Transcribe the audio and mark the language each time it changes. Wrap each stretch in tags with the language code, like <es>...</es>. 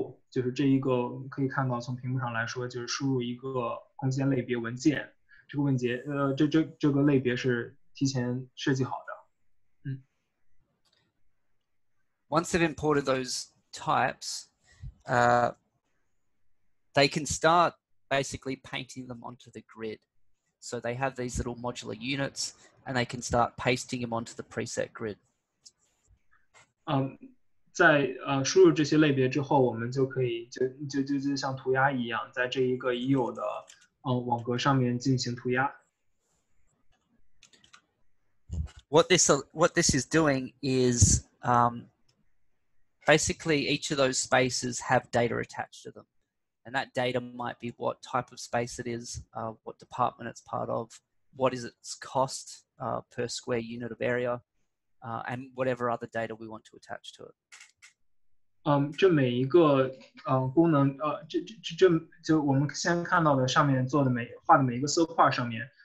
<zh>就是这一个可以看到，从屏幕上来说，就是输入一个空间类别文件。这个类别是提前设计好的。</zh> <en>Once they've imported those types, they can start basically painting them onto the grid. So they have these little modular units, and they can start pasting them onto the preset grid.</en> <zh>在输入这些类别之后，我们就可以就像涂鸦一样，在这一个已有的网格上面进行涂鸦。</zh> <en>What this is doing is basically each of those spaces have data attached to them, And that data might be what type of space it is, what department it's part of, what is its cost per square unit of area, and whatever other data we want to attach to it.</en> <zh>这每一个功能，就我们现在看到的上面做的每画的每一个色块上面。</zh>